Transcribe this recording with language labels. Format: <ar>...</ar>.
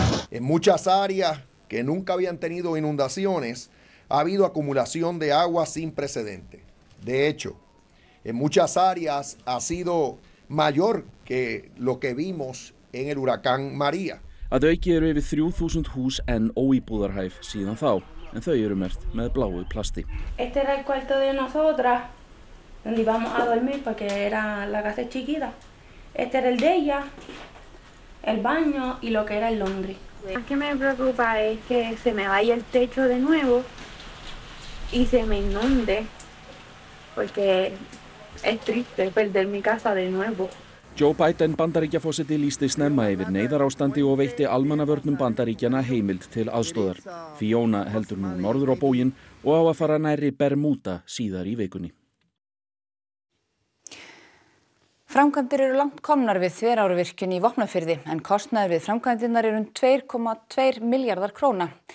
<es>En muchas áreas que nunca habían tenido inundaciones ha habido acumulación de agua sin precedente. De hecho, en muchas áreas ha sido mayor que lo que vimos en el huracán María.</es> <is>Að auki eru yfir 3000 hús enn óíbúðarhæf síðan þá. En þau eru merkt með bláu plasti.</is> <es>Este era el cuarto de nosotras, donde íbamos a dormir porque era la casa chiquita. Este era el de ella, el baño y lo que era el laundry. Lo que me preocupa es que se me vaya el techo de nuevo y se me inunde, porque es triste perder mi casa de nuevo.</es> <is>Joe Biden, Bandaríkjaforseti, lýsti snemma yfir neyðarástandi og veitti almannavörnum Bandaríkjana heimild til aðstoðar. Fíóna heldur nú norður á bóginn og á að fara nærri Bermuda síðar í vikunni. Framkvæmdir eru langt komnar við þverárvirkjun í Vopnafirði, en kostnaður við framkvæmdirnar eru 2,2 miljardar króna.</is>